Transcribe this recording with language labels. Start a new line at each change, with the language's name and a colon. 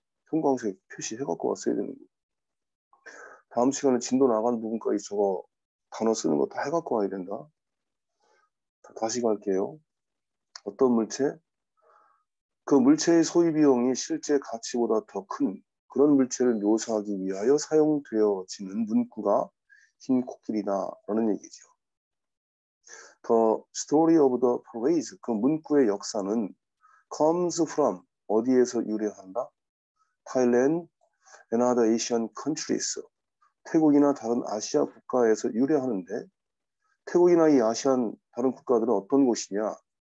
Korean: 형광색 표시 해갖고 왔어야 되는 거. 다음 시간에 진도 나간 부분까지 저거 단어 쓰는 거다 해갖고 와야 된다. 다시 갈게요. 어떤 물체? 그 물체의 소유 비용이 실제 가치보다 더큰 그런 물체를 묘사하기 위하여 사용되어지는 문구가 흰 코끼리다라는 얘기죠.
English: The story of the phrase,
Korean: 그 문구의 역사는
English: comes from
Korean: 어디에서 유래한다?
English: Thailand and other Asian countries.
Korean: 태국이나 다른 아시아 국가에서 유래하는데 태국이나 이 아시안 다른 국가들은 어떤 곳이냐?